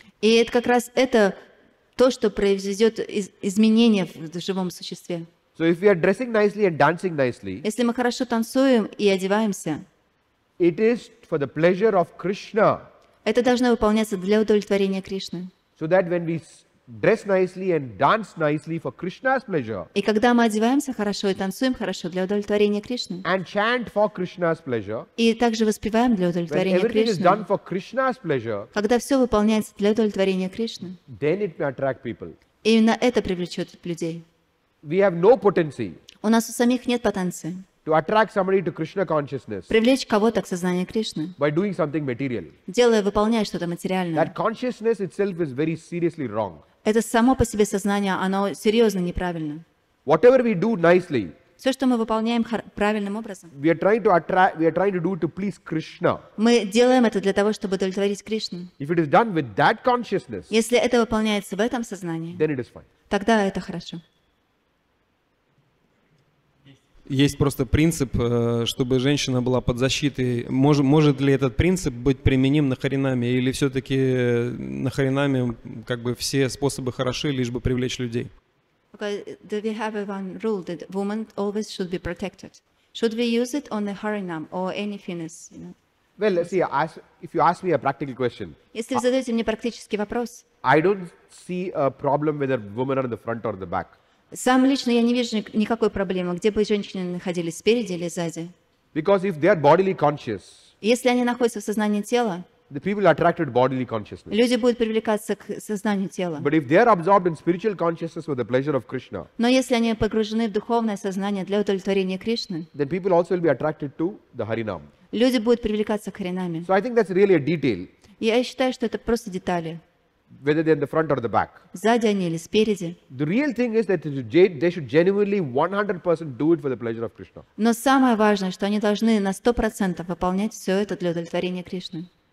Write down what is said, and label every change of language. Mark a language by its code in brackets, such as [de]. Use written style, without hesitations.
[ru] И это как раз это то, что произойдет изменение в живом существе. [en] So if we are dressing nicely and dancing nicely, [ru] если мы хорошо танцуем и одеваемся, [en] It is for the pleasure of Krishna. [ru] Это должно выполняться для удовлетворения Кришны. [en] So that when we dress nicely and dance nicely for Krishna's pleasure. [ru] И когда мы одеваемся хорошо и танцуем хорошо для удовлетворения Кришны. [en] And chant for Krishna's pleasure. [ru] И также воспеваем для удовлетворения Кришны. [en] When everything is done for Krishna's pleasure. [ru] Когда все выполняется для удовлетворения Кришны. [en] Then it will attract people. [ru] Именно это привлечет людей. [en] We have no potency. [ru] У нас у самих нет потенции. [en] To attract somebody to Krishna consciousness. [ru] Привлечь кого-то к сознанию Кришны. [en] By doing something material. [ru] Делая, выполняя что-то материальное. [en] That consciousness itself is very seriously wrong. [ru] Это само по себе сознание, оно серьезно неправильно. [en] Whatever we do nicely. [ru] Все, что мы выполняем правильным образом. [en] We are trying to attract. We are trying to do it to please Krishna. [ru] Мы делаем это для того, чтобы удовлетворить Кришну. [en] If it is done with that consciousness. [ru] Если это выполняется в этом сознании. [en] Then it is fine. [ru] Тогда это хорошо. Есть просто принцип, чтобы женщина была под защитой. Может ли этот принцип быть применим на харинаме? Или все-таки на харинаме как бы все способы хороши, лишь бы привлечь людей? [en] Okay, do we have one rule that woman always should be protected? Should we use it on the harinam or any finis? You know? Well, see, if you ask me a practical question. [ru] Если вы задаете мне практический вопрос. [en] I don't see a problem whether women are in the front or the back. [ru] Сам лично я не вижу никакой проблемы, где бы женщины находились, спереди или сзади. [en] Because if they are bodily conscious, [ru] если они находятся в сознании тела, [en] the people attracted bodily consciousness. [ru] Люди будут привлекаться к сознанию тела. [en] But if they are absorbed in spiritual consciousness with the pleasure of Krishna, [ru] но если они погружены в духовное сознание для удовлетворения Кришны, [en] then people also will be attracted to the Харинам. [ru] Люди будут привлекаться к Харинаме. [en] So I think that's really a detail. [ru] Я считаю, что это просто детали. [en] Whether they're in the front or the back. [ru] Сзади они или спереди. [en] The real thing is that they should genuinely 100% do it for the pleasure of Krishna. [ru] Но самое важное, что они должны на 100% выполнять все это для удовлетворения Кришны.